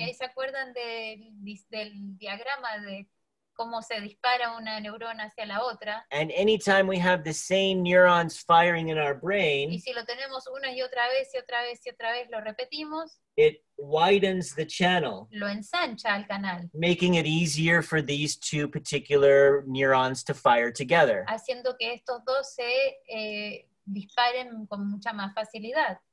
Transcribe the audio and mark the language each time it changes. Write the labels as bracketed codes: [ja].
[es] Y ahí se acuerdan del diagrama de cómo se dispara una neurona hacia la otra. [en] And anytime we have the same neurons firing in our brain, [es] y si lo tenemos una y otra vez y otra vez y otra vez, lo repetimos, [en] it widens the channel. [es] Lo ensancha el canal. [en] Making it easier for these two particular neurons to fire together. [es] Haciendo que estos dos se disparen con mucha más facilidad.